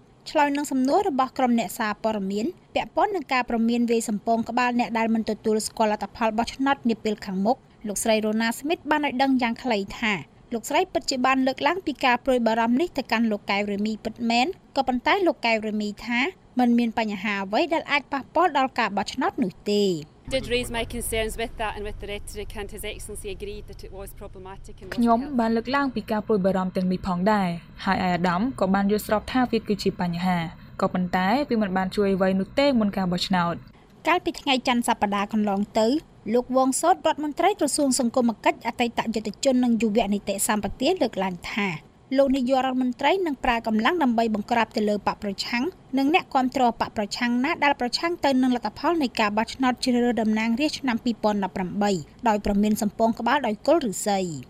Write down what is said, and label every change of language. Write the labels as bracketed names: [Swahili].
[Khmer] ឆ្លើយនឹងសំណួររបស់ក្រុមអ្នកសារព័ត៌មានពាក់ព័ន្ធនឹងការព្រមានវេសំពងក្បាលអ្នកដែលមិនទទួលស្គាល់លទ្ធផលរបស់ឆ្នោតនាពេលខាងមុខលោកស្រីរូណាស្មីតបានឲ្យដឹងយ៉ាងខ្លីថាលោកស្រីពិតជាបានលើកឡើងពីការព្រួយបារម្ភនេះទៅកាន់លោកកែវរមីពិតមែនក៏ប៉ុន្តែលោកកែវរមីថាมันមានបញ្ហាអ្វីដែលអាចប៉ះពាល់ដល់ការបោះឆ្នោតនោះទេ [English] Did raise my concerns with that and with the rhetoric and his excellency agreed that it was problematic [Khmer] ខ្ញុំបានលើកឡើងពីការព្រួយបារម្ភទាំងនេះផងដែរហើយអាយអាដាមក៏បានយល់ស្របថាវាគឺជាបញ្ហាក៏ប៉ុន្តែវាមិនបានជួយអ្វីនោះទេមុនការបោះឆ្នោត កាលពីថ្ងៃច័ន្ទសប្តាហ៍កន្លងទៅលោកវងសោតរដ្ឋមន្ត្រីក្រសួងសង្គមការិច្ចអតីតយុទ្ធជននិងយុវនីតិសម្បទាលើកឡើងថាលោកនាយករដ្ឋមន្ត្រីនឹងប្រើកម្លាំងដើម្បីបង្ក្រាបទៅលើបកប្រឆាំងនិងអ្នកគាំទ្របកប្រឆាំងណាដែលប្រឆាំងទៅនឹងលទ្ធផលនៃការបោះឆ្នោតជ្រើសរើសតំណាងរាស្ត្រឆ្នាំ2018ដោយប្រមានសម្ពងក្បាលដោយគល់ឫស្សី